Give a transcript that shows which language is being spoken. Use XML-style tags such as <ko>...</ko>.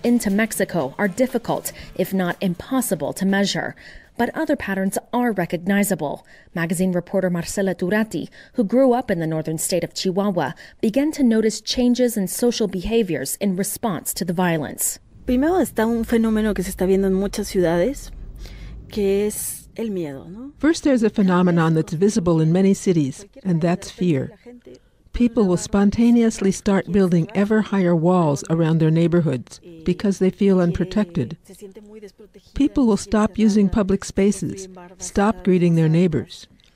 <en>into Mexico are difficult, if not impossible, to measure. But other patterns are recognizable. Magazine reporter Marcela Turati, who grew up in the northern state of Chihuahua, began to notice changes in social behaviors in response to the violence.</en> <es>Primero está un fenómeno que se está viendo en muchas ciudades, que es...</es> <en>First, there's a phenomenon that's visible in many cities, and that's fear. People will spontaneously start building ever higher walls around their neighborhoods because they feel unprotected. People will stop using public spaces, stop greeting their neighbors.</en>